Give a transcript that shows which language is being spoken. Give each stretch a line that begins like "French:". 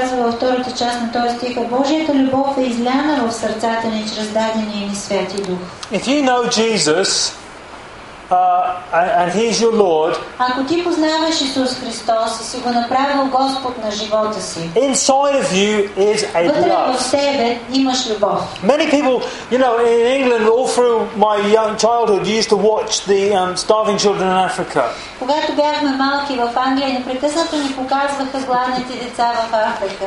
Bulgarian: Казва във втората част на този стих, Божията любов е изляна в сърцата ни чрез дадения ни Святи Дух.
English: If you know Jesus, and he's your Lord.
Bulgarian: Ако ти познаваш Исус Христос и си го направил Господ на живота си.
English: Inside of you is a love.
Bulgarian: В себе имаш любов.
English: Many people, you know, in England all through my young childhood used to watch the starving children in Africa.
Bulgarian: Когато бяхме малки в Англия, непрекъснато ни показваха гладните деца в Африка.